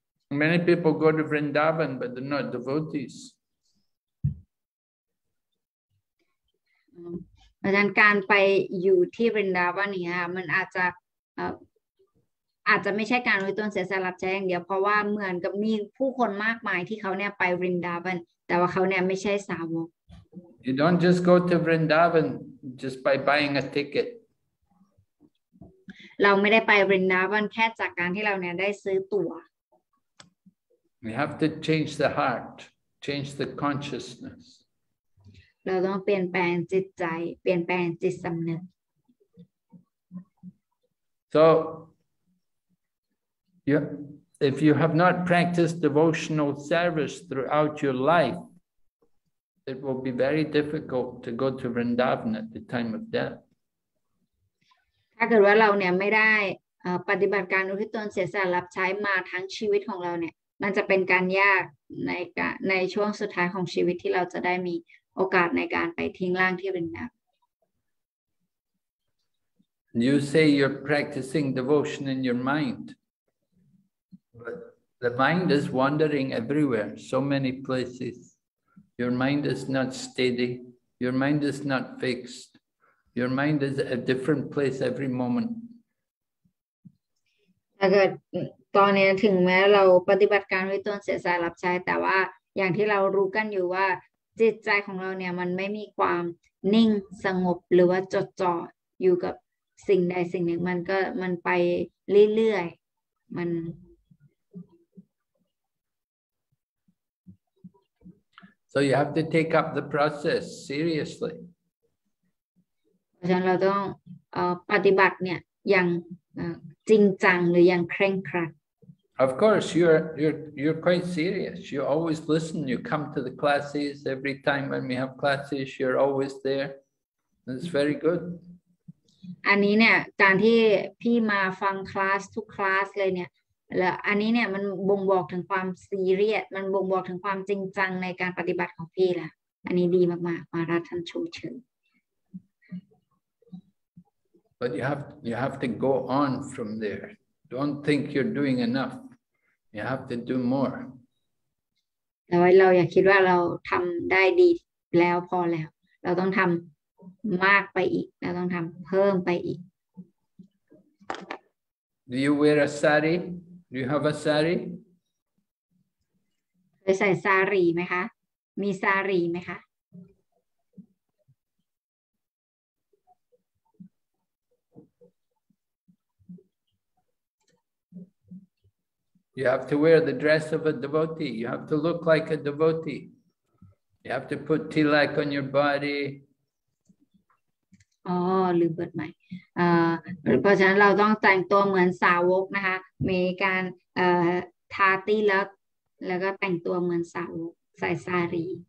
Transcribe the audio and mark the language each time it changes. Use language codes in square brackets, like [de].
[en] Many people go to Vrindavan, but they're not devotees. [th] เพราะฉะนั้นการไปอยู่ที่บรินดาวันเนี่ยมันอาจจะไม่ใช่การเริ่มต้นเสียสละใจอย่างเดียวเพราะว่าเหมือนกับมีผู้คนมากมายที่เขาเนี่ยไปบรินดาวันแต่ว่าเขาเนี่ยไม่ใช่สาวก [en] You don't just go to Vrindavan just by buying a ticket [th] เราไม่ได้ไปบรินดาวันแค่จากการที่เราเนี่ยได้ซื้อตั๋ว [en] We have to change the heart change the consciousness [th] เราต้องเปลี่ยนแปลงจิตใจเปลี่ยนแปลงจิตสำนึก [en] So if you have not practiced devotional service throughout your life it will be very difficult to go to Vrindavan at the time of death [th] ถ้าเกิดว่าเราเนี่ยไม่ได้ปฏิบัติการอุทิศตนเสียสละรับใช้มาทั้งชีวิตของเราเนี่ยมันจะเป็นการยากในช่วงสุดท้ายของชีวิตที่เราจะได้มีโอกาสในการไปทิ้งร่างที่เป็นนัก [en] You say you're practicing devotion in your mind but the mind is wandering everywhere so many places your mind is not steady your mind is not fixed your mind is a different place every moment [th] ถ้าเกิดตอนนี้ถึงแม้เราปฏิบัติการด้วยตนเสียสละรับใช้แต่ว่าอย่างที่เรารู้กันอยู่ว่าจิตใจของเราเนี่ยมันไม่มีความนิ่งสงบหรือว่าจดจ่ออยู่กับสิ่งใดสิ่งหนึ่งมันไปเรื่อยๆมัน [en] So you have to take up the process seriously [th] เพราะฉะนั้นเราต้องปฏิบัติเนี่ยอย่างจริงจังหรืออย่างเคร่งครัด [en] Of course, you're quite serious. You always listen. You come to the classes every time when we have classes. You're always there. That's very good. [th] อันนี้เนี่ยการที่พี่มาฟังคลาสทุกคลาสเลยเนี่ยแล้วอันนี้เนี่ยมันบ่งบอกถึงความซีเรียสมันบ่งบอกถึงความจริงจังในการปฏิบัติของพี่ล่ะอันนี้ดีมากๆมารัฐท่านชมเชย [en] But you have to go on from there. Don't think you're doing enough. You have to do more. [th] แล้วเราอย่าคิดว่าเราทำได้ดีแล้วพอแล้วเราต้องทำมากไปอีกเราต้องทำเพิ่มไปอีก [en] Do you wear a sari? Do you have a sari? [th] เคยใส่สารีไหมคะมีสารีไหมคะ [en] You have to wear the dress of a devotee. You have to look like a devotee. You have to put tilak on your body. [th] อ๋อลืมบทใหม่เพราะฉะนั้นเราต้องแต่งตัวเหมือนสาวกนะคะมีการทาติลักแล้วก็แต่งตัวเหมือนสาวกใส่สารี